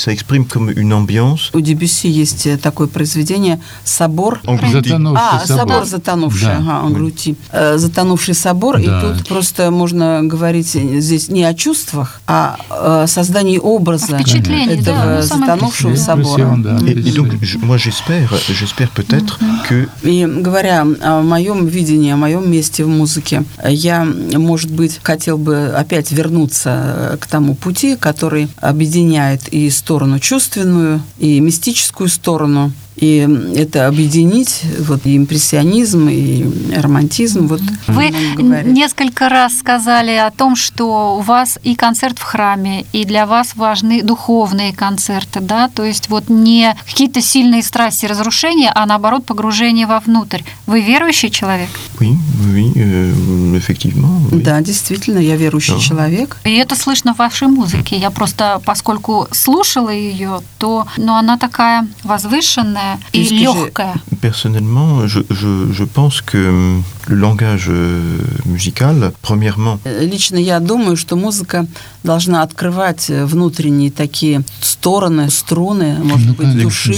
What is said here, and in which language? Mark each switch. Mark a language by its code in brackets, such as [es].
[ru] У Дебюсси есть такое произведение «Собор». Собор затонувший. Да. Ага, «Англути». Затонувший собор, да. И тут просто можно говорить здесь не о чувствах, а о создании образа этого, затонувшего собора. И [fr] donc, moi j'espère peut-être que... [ru] И говоря о моем видении, о моем месте в музыке, я, может быть, хотел бы опять вернуться к тому пути, который объединяет и сторону чувственную, и мистическую сторону. И это объединить вот импрессионизм и романтизм. Вот, вы несколько раз сказали о том, что у вас и концерт в храме, и для вас важны духовные концерты, да, то есть вот не какие-то сильные страсти разрушения, а наоборот погружение вовнутрь. Вы верующий человек? [fr] Oui, effectivement, oui. [ru] Да, действительно, я верующий человек. И это слышно в вашей музыке. Я просто, поскольку слушала ее, то, ну, она такая возвышенная. [fr] Personnellement, je pense que le langage musical, premièrement. [ru] Лично я думаю, что музыка должна открывать внутренние такие стороны, струны, может быть, души.